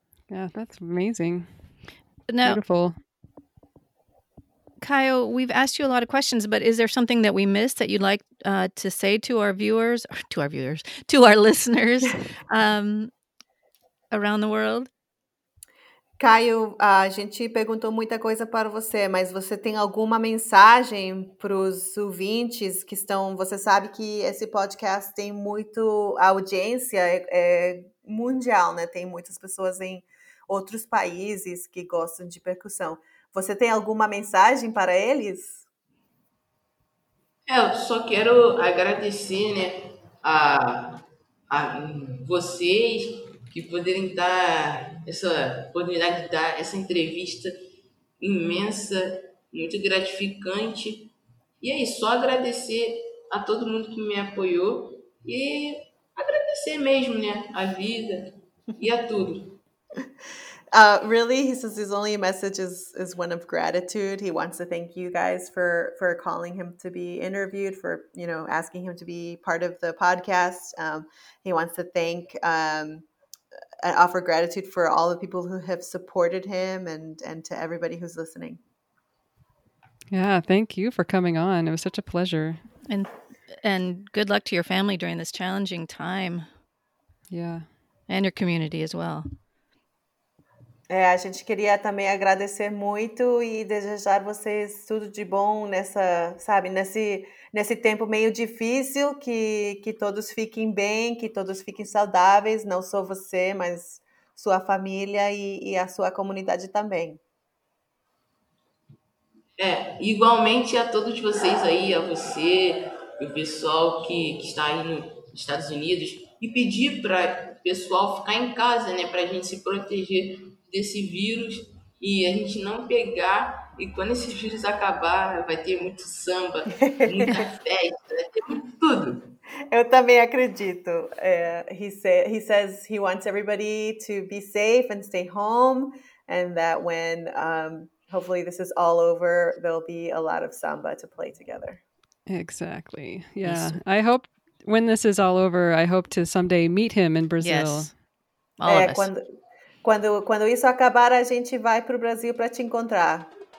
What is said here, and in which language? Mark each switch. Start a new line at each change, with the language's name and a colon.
English: Yeah, that's amazing. Now, beautiful. Caio, we've asked you a lot of questions, but is there something that we missed that you'd like to say to our viewers, to our listeners around the world?
Portuguese: Caio, a gente perguntou muita coisa para você, mas você tem alguma mensagem para os ouvintes que estão... Você sabe que esse podcast tem muito audiência mundial, né? Tem muitas pessoas em outros países que gostam de percussão. Você tem alguma mensagem para eles? Eu só quero agradecer, né, a vocês que poderem dar essa oportunidade de dar essa entrevista imensa, muito gratificante. E aí, só agradecer a todo mundo que me apoiou e agradecer mesmo, né, a vida e a tudo.
English: Really, he says his only message is one of gratitude. He wants to thank you guys for calling him to be interviewed, for, you know, asking him to be part of the podcast. He wants to thank and offer gratitude for all the people who have supported him and to everybody who's listening. Yeah, thank you for coming on. It was such a pleasure. And good luck to your family during this challenging time. Yeah. And your community as well.
Portuguese: É, a gente queria também agradecer muito e desejar vocês tudo de bom nessa, sabe, nesse tempo meio difícil, que todos fiquem bem, que todos fiquem saudáveis, não só você, mas sua família e a sua comunidade também. É, igualmente a todos vocês aí, a você, o pessoal que está aí nos Estados Unidos, e pedir para o pessoal ficar em casa, né, para a gente se proteger desse vírus e a gente não pegar, e quando esses vírus acabar, vai ter muito samba, muita festa, vai ter muito tudo. Eu também acredito.
English: He says he wants everybody to be safe and stay home, and that when hopefully this is all over, there'll be a lot of samba to play together. Exactly. Yeah. Yes. I hope when this is all over, I hope to someday meet him in Brazil. Yes. All of us.
Portuguese: Quando isso acabar, a gente vai pro Brasil para te encontrar.